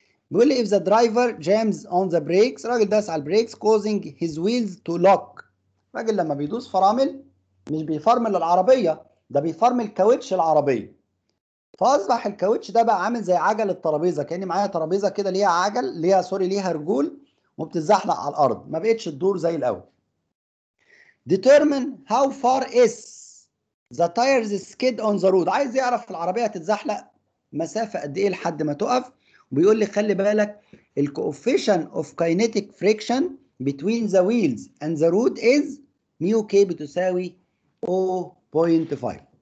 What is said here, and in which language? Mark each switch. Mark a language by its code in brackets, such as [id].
[ar] بيقول لي [en] if the driver jams on the brakes, [ar] راجل داس على [en] البريكس causing his wheels to lock. [ar] راجل لما بيدوس فرامل مش بيفرمل العربية، ده بيفرمل كاوتش العربية. فأصبح الكاوتش ده بقى عامل زي عجل الترابيزة، كأني معايا ترابيزة كده ليها عجل، ليها رجول وبتزحلق على الأرض، ما بقتش تدور زي الأول. [en] Determine how far is the tires skid on the road. [ar] عايز يعرف العربية هتتزحلق مسافة قد إيه لحد ما تقف. بيقول لي خلي بالك الـ [en] coefficient of kinetic friction between the wheels and the road is [ar] ميو كي بتساوي [en] 0.5.